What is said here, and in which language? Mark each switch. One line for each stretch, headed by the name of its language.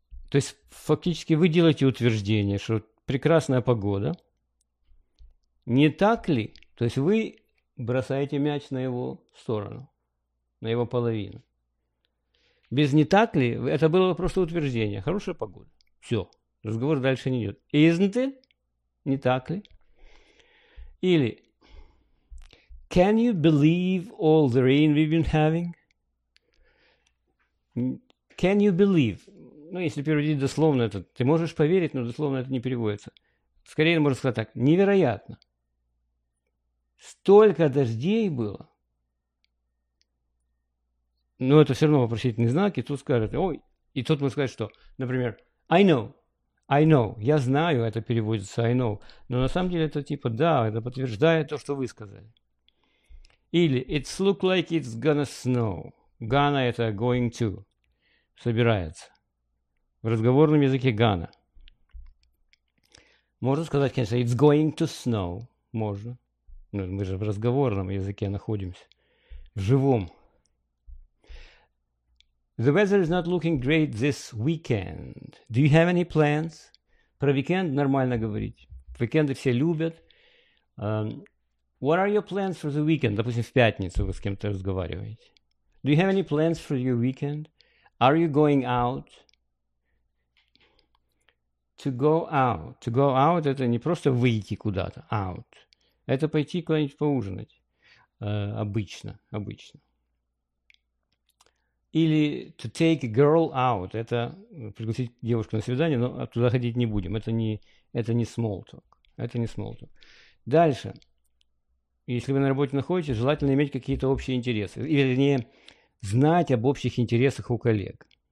Russian: То есть фактически вы делаете утверждение, что прекрасная погода. Не так ли? То есть вы бросаете мяч на его сторону, на его половину. Без «не так ли» это было просто утверждение. Хорошая погода. Все. Разговор дальше не идет.
English: Isn't it?
Russian: Не так ли? Или
English: Can you believe all the rain we've been having? Can you believe?
Russian: Ну, если переводить дословно это, ты можешь поверить, но дословно это не переводится. Скорее можно сказать так. Невероятно. Столько дождей было. Но это все равно вопросительный знак, и тут скажут, ой, и тут можно сказать, что, например,
English: I know,
Russian: я знаю, это переводится I know, но на самом деле это типа да, это подтверждает то, что вы сказали. Или
English: it looks like it's gonna snow. Gonna
Russian: это
English: going to,
Russian: собирается. В разговорном языке gonna. Можно сказать, конечно,
English: it's going to snow,
Russian: можно. Ну, мы же в разговорном языке находимся, в живом.
English: The weather is not looking great this weekend. Do you have any plans?
Russian: Про weekend нормально говорить. Weekendы все любят.
English: What are your plans for the weekend?
Russian: Допустим, в пятницу вы с кем-то разговариваете.
English: Do you have any plans for your weekend? Are you going out? To go out. To go out
Russian: – это не просто выйти куда-то.
English: Out.
Russian: Это пойти куда-нибудь поужинать. Обычно. Обычно. Или
English: to take a girl out.
Russian: Это пригласить девушку на свидание, но туда ходить не будем. Это не small talk. Это не small talk. Дальше. Если вы на работе находитесь, желательно иметь какие-то общие интересы. Или вернее, знать об общих интересах у коллег.